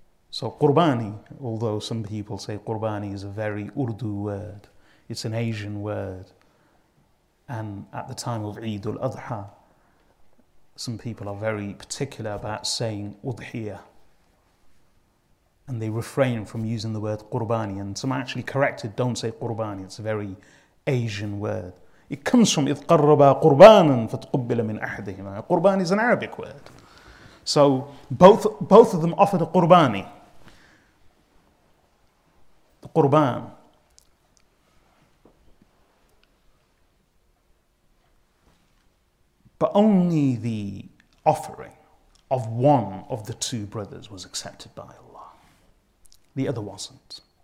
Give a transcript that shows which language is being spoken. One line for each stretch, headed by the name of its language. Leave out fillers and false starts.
English: So qurbani, although some people say qurbani is a very Urdu word, it's an Asian word, and at the time of Eid al-Adha, some people are very particular about saying udhiya, and they refrain from using the word qurbani, and some actually corrected, don't say qurbani, it's a very Asian word.
Arabic: It comes from إِذْ قَرَّبَا قُرْبَانًا فَتْقُبِّلَ مِنْ أَحْدِهِمَا.
English: Qurban is an Arabic word. So both of them offered a qurbani. The qurban. But only the offering of one of the two brothers was accepted by Allah. The other wasn't.